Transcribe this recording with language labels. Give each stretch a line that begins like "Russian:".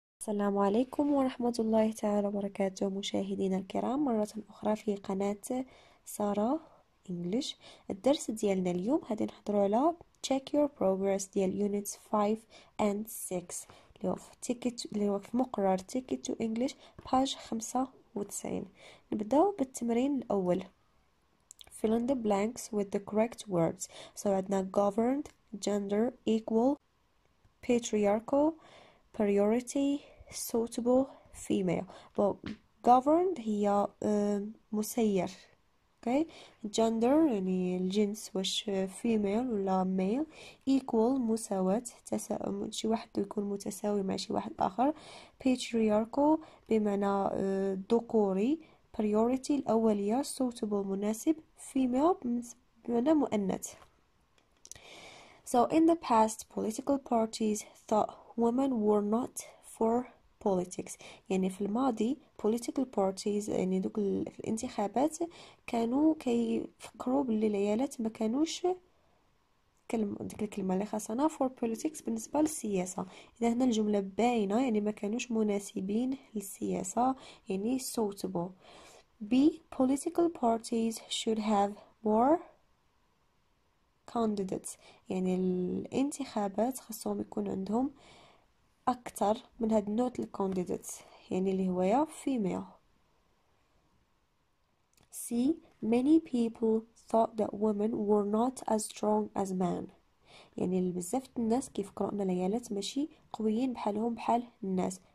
Arabic: السلام عليكم ورحمة الله تعالى وبركاته مشاهدينا الكرام، مرة أخرى في قناة سارة إنجليش. الدرس ديالنا اليوم هادي نحضر على Check Your Progress ديال Units 5 and 6 اللي هو في مقرر Ticket to English Page 95. نبدأ بالتمرين الأول.
English: Fill in the blanks with the correct words.
Arabic: So عندنا governed, gender, equal, patriarchal, priority, suitable, female. But governed هي مسير. Okay. Gender يعني الجنس واش female ولا male. Equal مساواة. شي واحد يكون متساوي مع شي واحد آخر. Patriarchal بمعنى ذكوري. Priority الأولية. Suitable مناسب. Female بمعنى مؤنث.
English: So in the past political parties thought women were not for politics.
Arabic: يعني في الماضي political parties يعني دوك في الانتخابات كانوا كيفكروا باللي العيالات ما كانوش ديك الكلمة اللي خاصنا
English: for politics
Arabic: بالنسبة للسياسة. إذا هنا الجملة باينة يعني ما كانوش مناسبين للسياسة يعني suitable.
English: B political parties should have more candidates.
Arabic: يعني الانتخابات خاصهم يكون عندهم أكثر من هاد النوت الكونديديت يعني اللي هو يا فيميل.
English: سي many people thought that women were not as strong as men.
Arabic: يعني بزاف الناس كيفكروا ان العيالات ماشي قويين بحالهم بحال الناس.